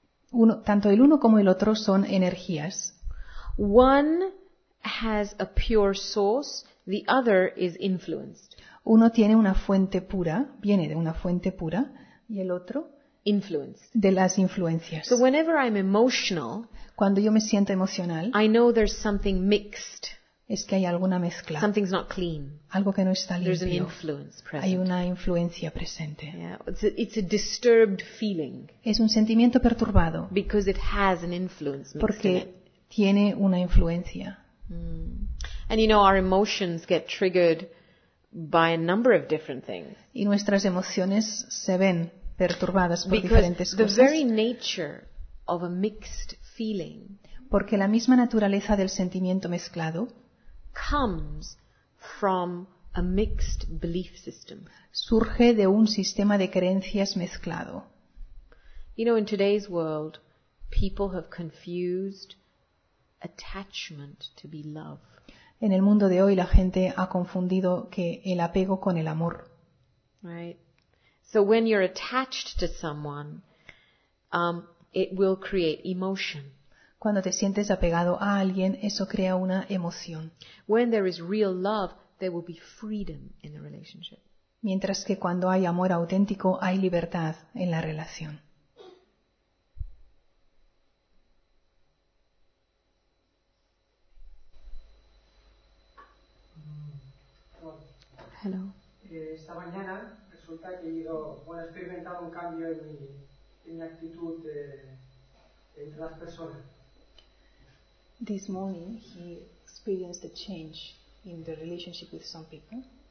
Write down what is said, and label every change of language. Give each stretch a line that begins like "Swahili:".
Spanish: Uno, tanto el uno como el otro son energías.
English: One has a pure source, the other is influenced.
Spanish: Uno tiene una fuente pura, viene de una fuente pura, y el otro
English: influenced.
Spanish: De las influencias.
English: So whenever I'm emotional,
Spanish: cuando yo me siento emocional,
English: I know there's something mixed.
Spanish: Es que hay alguna mezcla.
English: Something's not clean.
Spanish: Algo que no está limpio.
English: There's an influence present.
Spanish: Hay una influencia presente.
English: Yeah. It's a disturbed feeling.
Spanish: Es un sentimiento perturbado.
English: Because it has an influence mixed
Spanish: porque
English: in it.
Spanish: Tiene una influencia.
English: And you know, our emotions get triggered by a number of different things.
Spanish: Y nuestras emociones se ven perturbadas por
English: because
Spanish: diferentes cosas.
English: The very nature of a mixed feeling.
Spanish: Porque la misma naturaleza del sentimiento mezclado
English: comes from a mixed belief system.
Spanish: Surge de un sistema de creencias mezclado.
English: You know, in today's world, people have confused attachment to be love.
Spanish: En el mundo de hoy, la gente ha confundido que el apego con el amor.
English: Right. So when you're attached to someone, it will create emotion.
Spanish: Cuando te sientes apegado a alguien, eso crea una emoción.
English: When there is real love, there will be freedom in the relationship.
Spanish: Mientras que cuando hay amor auténtico, hay libertad en la relación.
English: Hello.
Spanish: Esta mañana resulta que he ido, bueno, he experimentado un cambio en mi actitud entre las personas.
English: This morning he experienced a change in the relationship with some people.